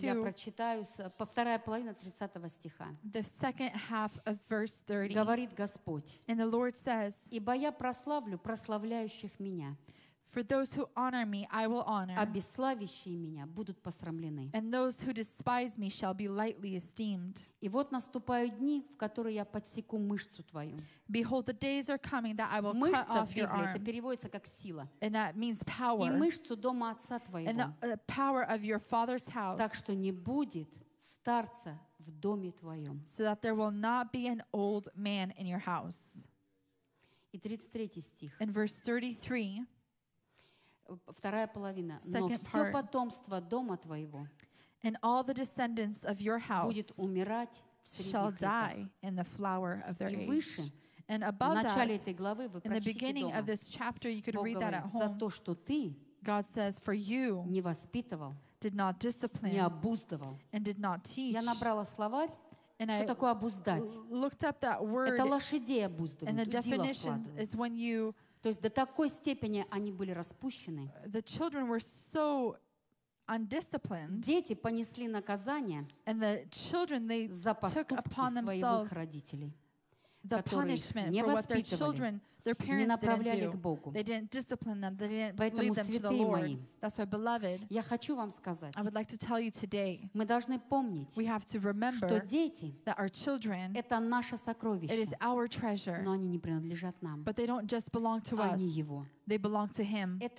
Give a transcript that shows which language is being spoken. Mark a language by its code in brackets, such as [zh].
[ru] Я прочитаю по вторая половина 30 стиха. [en] The second half of verse 30. [ru] Говорит Господь. [en] And the Lord says. [ru] Ибо я прославлю прославляющих меня. [en] For those who honor me, I will honor. [ru] А бесславящие меня будут посрамлены. [en] And those who despise me shall be lightly esteemed. [ru] И вот наступают дни, в которые я подсеку мышцу твою. [en] Behold, the days are coming that I will [ru] мышца [en] cut off your arm. [ru] Это переводится как сила. [en] And that means power. [ru] И мышцу дома отца твоего. [en] And the power of your father's house. [ru] Так что не будет старца в доме твоем. [en] So that there will not be an old man in your house. [ru] И 33 стих. [en] And verse 33. [ru] Вторая половина. Но все потомство дома твоего [en] and all the descendants of your house [ru] будет умирать в средних летах. И выше, [en] and above [ru] в начале [en] that, [ru] этой главы вы прочтите дома. Бог говорит, за то, что ты [en] God says, for you, [ru] не воспитывал, [en] did not discipline, [ru] не обуздывал. [en] And did not teach. [ru] Я набрала словарь [en] And I looked up that word. [ru] Это лошадей обуздывать. [en] And the definition is when you. [ru] То есть до такой степени они были распущены. [en] The children were so undisciplined. [ru] Дети понесли наказание. [en] And the children they took upon themselves. The punishment for what their children, their parents didn't do. They didn't discipline them. They didn't lead them to the Lord. That's why, beloved, I would like to tell you today, we have to remember that our children, it is our treasure, but they don't just belong to us. They belong to Him.